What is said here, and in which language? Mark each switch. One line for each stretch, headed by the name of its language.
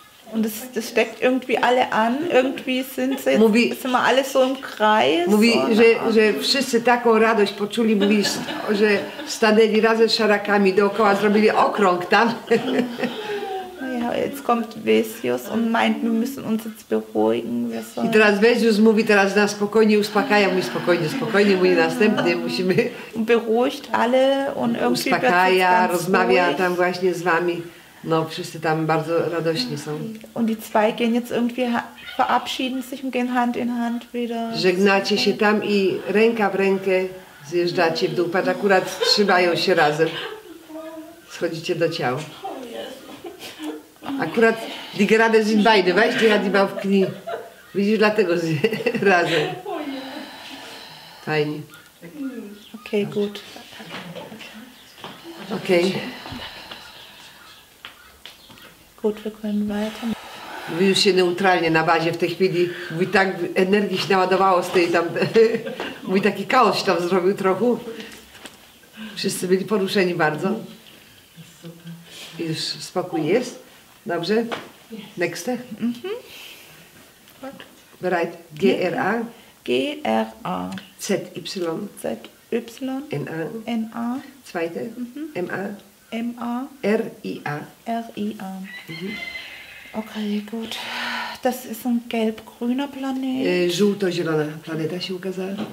German: Und das steckt irgendwie alle an, irgendwie sind sie sind wir alle so im Kreis.
Polish: Mówi, że wszyscy taką radość poczuli, mówi, że stanęli razem z szarakami dookoła, zrobili okrąg tam.
German: Ja, jetzt kommt Vesius und meint, wir müssen uns jetzt beruhigen.
Polish: I teraz Vesius mówi teraz na spokojnie, uspokaja, mówi spokojnie, mówi następnie musimy.
German: Beruhigt alle und irgendwie
Polish: uspokaja, rozmawia tam właśnie z wami. No, wszyscy tam bardzo radośni są.
German: Und die zwei gehen jetzt irgendwie verabschieden sich und gehen Hand in Hand wieder.
Polish: Żegnacie się tam i ręka w rękę zjeżdżacie w dół. Patrz, akurat trzymają się razem. Schodzicie do ciał.
German: Akurat die gerade sind beide, weißt du, ja die auf Knie.
Polish: Widzisz, dlatego razem. Fajnie.
German: Okay, gut. Okay. Gut, wir können weiter.
Polish: Mówi już się neutralnie na bazie w tej chwili. Mówi, tak energii się naładowało z tej tam. Mówi, taki kaos tam zrobił trochę. Wszyscy byli poruszeni bardzo. I już spokój jest. Dobrze? Next. Mm-hmm.
German: Bereit. G-R-A. G-R-A. Z-Y. Z-Y. N-A. N-A. Zweite. Mm-hmm. M-A. M-A. R-I-A. R-I-A. Mhm. Okay, gut. Das ist ein gelb-grüner Planet.
Polish: Żółto-zielona planeta się ukazała.